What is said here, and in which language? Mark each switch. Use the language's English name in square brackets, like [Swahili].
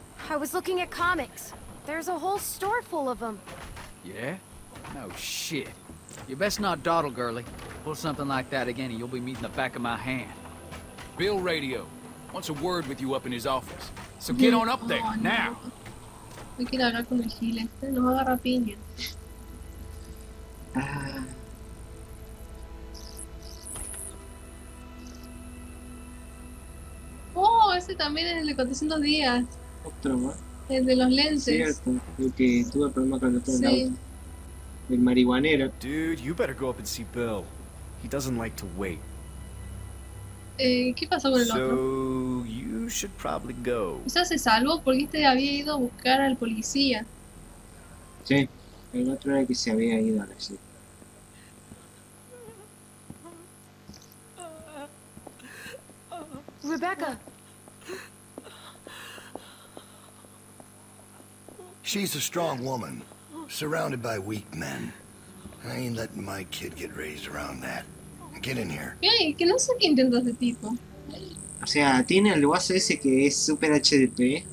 [English] I was looking at comics. There's a whole store full of them. Yeah? No shit. You best not dawdle, girlie. Pull something like that again and you'll be meeting the back of my hand. Bill Radio. wants a word with you up in his office. So get on up there, oh, now. No. [Spanish] Hay que hablar con el gil este, nos agarra piña. Oh, ese también es el de 400 días. Otro más. El de los lentes. Cierto, el que tuvo problemas cuando estaba en la auto. El marihuanero. [English] Dude, you better go up and see Bill. He doesn't like to wait. [Spanish] ¿Qué pasó con el [English] so, [Spanish] otro? [English] You should probably go. [Spanish] O sea, se salvó porque este había ido a buscar al policía. Sí, el otro era que se había ido a la ciudad. [English] Rebecca. She's a strong woman, surrounded by weak men. I ain't letting my kid get raised around that. Get in here. [Spanish] Hey, que no sé qué intento ese tipo. O sea, tiene el guaso ese que es super HDP.